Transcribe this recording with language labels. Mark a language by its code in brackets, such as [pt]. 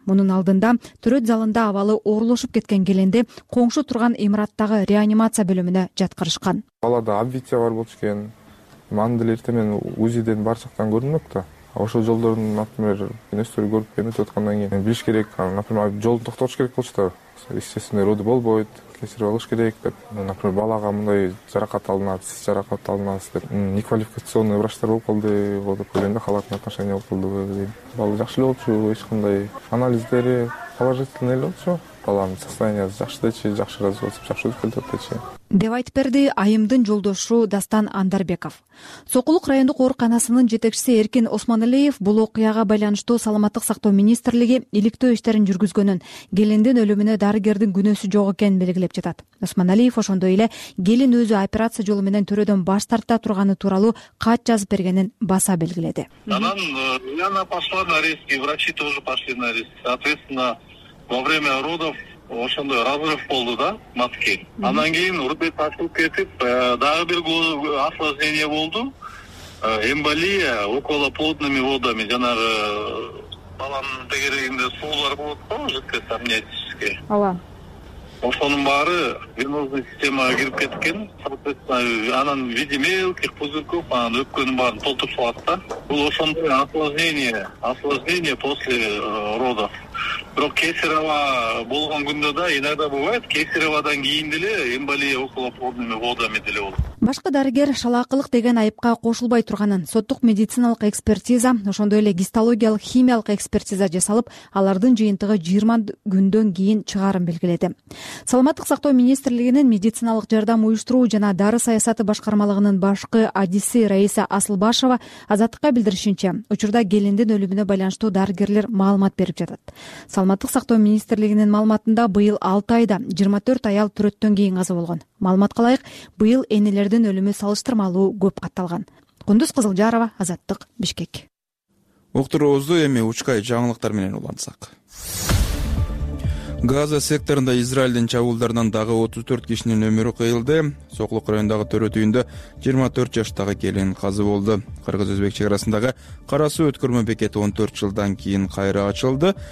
[ky] Мунун алдында төрөт залында абалы оорлошуп кеткен келинди коңшу турган имараттагы реанимация бөлүмүнө жаткырышкан. Аларда обвиция бар болчу экен. Мандыл эрте менен УЗИден барсактан көрүнмөк да. Ошол жолдордун например нестерди көрүп өнөтүп аткандан кийин билиш керек, например жолду токтотуш керек болчу да. [ru] Естественный роды [ky] болбойт, кесирип алыш керек деп. Например балага мындай жаракат алынат, сиз жаракат алмасыз деп [ru] неквалификационный [ky] врачтар болуп калды, деп көргөндө халактын [ru] отношение [ky] болуп калдыбы дейм. Бала жакшы эле болчу, эч кандай анализдери положительный эле болчу. Баланын состояниясы жакшы дечи, жакшы [ru] развивается, [ky] жакшы өсүп келатат дечи. Деп айтып берди айымдын жолдошу Дастан Андарбеков. Сокулук райондук ооруканасынын жетекчиси Эркин Осмоналиев бул окуяга байланыштуу Саламаттык сактоо министрлиги иликтөө иштерин жүргүзгөнүн, келиндин өлүмүнө дарыгердин күнөөсү жок экенин белгилеп жатат. Осмоналиев ошондой эле келин өзү операция жолу менен төрөдөн баш тарта турганы тууралуу кат жазып бергенин баса белгиледи. [ru] Анан она пошла на риски, врачи тоже пошли на риски. Соответственно, во время родов [ky] ошондой [ru] разрыв [ky] болду да [ru] матке. [ky] Анан кийин рубец ачылып кетип, дагы бир осложнение болду. [ru] Эмболия околоплодными водами, [ky] жанагы баланын тегерегинде суулар болот го, [ru] жидкость амниотическая. [ky] Ооба. Ошонун баары [ru] венозный [ky] системага кирип кеткен. Анан [ru] види мелких пузырьков, [ky] анан өпкөнүн баарын толтуруп салат да. Бул ошондой [ru] осложнение после родов. [ky] Бирок кесарево болгон күндө да [ru] иногда бывает [ky] кесароводон кийин деле [ru] эмболия околоплодными водами [ky] деле болот. Башка дарыгер шалаакылык деген айыпка кошулбай турганын, соттук медициналык экспертиза, ошондой эле гистологиялык химиялык экспертиза жасалып, алардын жыйынтыгы 20 күндөн кийин чыгарын белгиледи. Саламаттык сактоо министрлигинин медициналык жардам уюштуруу жана дары саясаты башкармалыгынын башкы адиси Раиса Асылбашева Азаттыкка билдиришинче, учурда келиндин өлүмүнө байланыштуу дарыгерлер маалымат берип жатат. Саламаттык сактоо министрлигинин маалыматында быйыл 6 айда 24 аял төрөттөн кийин каза болгон. Маалыматка ылайык, быйыл энелердин өлүмү салыштырмалуу көп катталган. Кундуз Кызылжарова, Азаттык, Бишкек. Уктуруубузду эми Учкай жаңылыктар менен улантсак. Газа секторунда Израилдин чабуулдарынан дагы 34 кишинин өмүрү кыйылды. Соклук райондогу төрөт үйүндө 24 жаштагы келин казы болду. Кыргыз өзбек чек арасындагы карасу өткөрмө бекети 14 жылдан кийин кайра ачылды.